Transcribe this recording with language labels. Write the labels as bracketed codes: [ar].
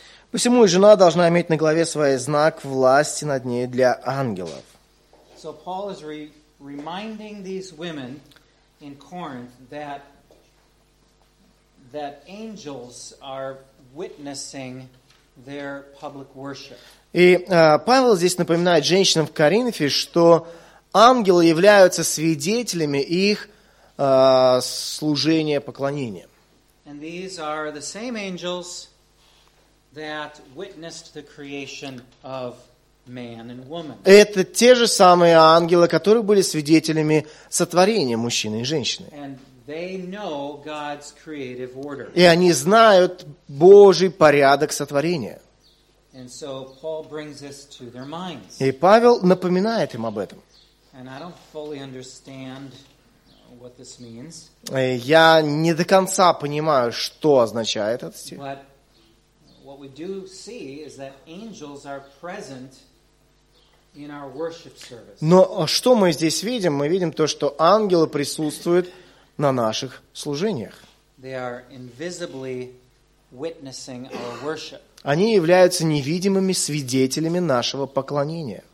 [ru] Посему и жена должна иметь на голове свой знак власти над ней для ангелов. [en] So Paul is reminding these women in Corinth that angels are witnessing their public worship. [ru] И Павел здесь напоминает женщинам в Коринфе, что ангелы являются свидетелями их служение, поклонение. [en] And these are the same angels that witnessed the creation of man and woman. [ru] Это те же самые ангелы, которые были свидетелями сотворения мужчины и женщины. [en] And they know God's creative order. [ru] И они знают Божий порядок сотворения. [en] And so Paul brings this to their minds. [ru] И Павел напоминает им об этом. [en] And I don't fully understand what this means. [ru] Я не до конца понимаю, что означает этот стих. [en] But what we do see is that angels are present in our worship service. [ru] Но что мы здесь видим? Мы видим то, что ангелы присутствуют на наших служениях. [en] They are invisibly witnessing our worship. [ru] Они являются невидимыми свидетелями нашего поклонения.